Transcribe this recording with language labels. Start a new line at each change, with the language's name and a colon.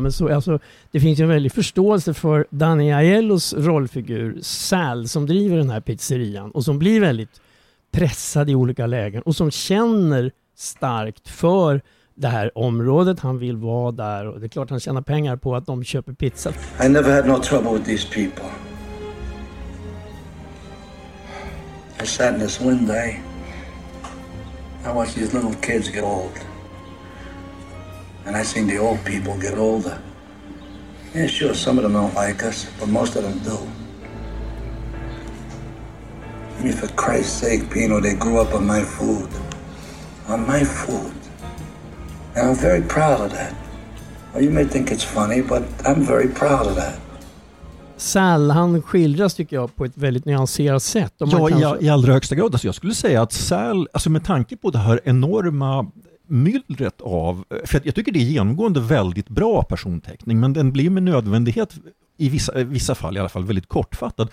Swedish: Men så, alltså, det finns ju en väldig förståelse för Danny Aiellos rollfigur Sal, som driver den här pizzerian och som blir väldigt pressad i olika lägen och som känner starkt för det här området. Han vill vara där och det är klart han tjänar pengar på att de köper pizza.
English: I never had no trouble with these people. I sat in this one day. I watch these little kids get old. And I seen the old people get older. Yeah, sure, some of them don't like us, but most of them do. I mean, for Christ's sake, Pino, they grew up on my food. On my food. And I'm very proud of that. Well, you may think it's funny, but I'm very proud of that.
Swedish: Sal, han skildras tycker jag på ett väldigt nyanserat sätt. Om man ja, kanske i allra högsta grad. Alltså jag skulle säga att Sal, alltså med tanke på det här enorma myllret av, för jag tycker det är genomgående väldigt bra personteckning, men den blir med nödvändighet i vissa fall i alla fall väldigt kortfattad.